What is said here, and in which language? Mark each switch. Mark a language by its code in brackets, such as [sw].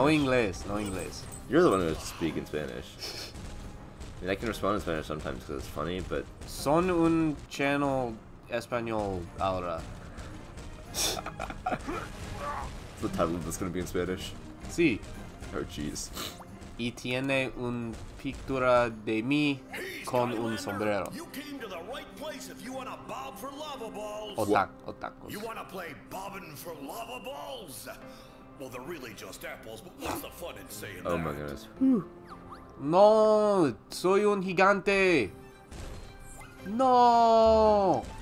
[en] No English. You're the one who has to speak in Spanish. I mean, I can respond in Spanish sometimes because it's funny, but... [es] Son un channel español ahora. [en] The title that's going to be in Spanish. [es] Sí. [en] Oh, jeez. [es] Y tiene un pictura de mí con un sombrero. [en] You came to the right place if you want to bob for lava balls. Otacos. You want to play bobbing for lava balls? Well, they're really just apples, but what's the fun in saying that? Oh my goodness. [es] No, soy un gigante. No.